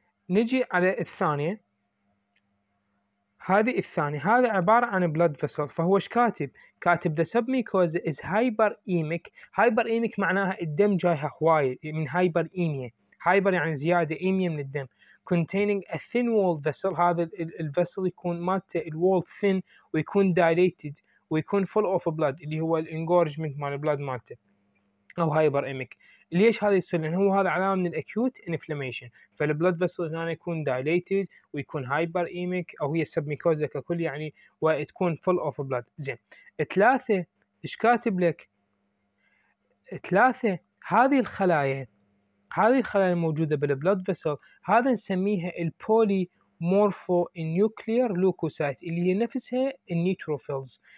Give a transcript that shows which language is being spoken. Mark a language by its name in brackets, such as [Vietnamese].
[Arabic] نجي على الثانية، هذه الثانية، هذا عبارة عن blood vessel. فهو ايش كاتب؟ كاتب [English] the submucosa is hyperemic. [Arabic] hyperemic معناها الدم جايها هواي من hyperemia. hyper يعني زيادة، emia من الدم. [English] containing a thin wall vessel، هذا ال vessel يكون مالته ال wall thin ويكون dilated ويكون full of blood [Arabic] اللي هو ال [English] engorgement مال blood مالته، أو hyperemic. [Arabic] ليش هذا يصير؟ لأنه هو هذا علامة من الأكيوت إنفلاميشن. فالبلد فيسل هنا يكون دايليتد ويكون هايبر إيميك، أو هي السبميكوزا ككل يعني، وتكون فل أوف بلد. زين، ثلاثة إيش كاتب لك؟ ثلاثة، هذه الخلايا الموجودة بالبلد فيسل هذا نسميها البولي مورفو نيوكلير لوكوسايت اللي هي نفسها النيتروفيلز.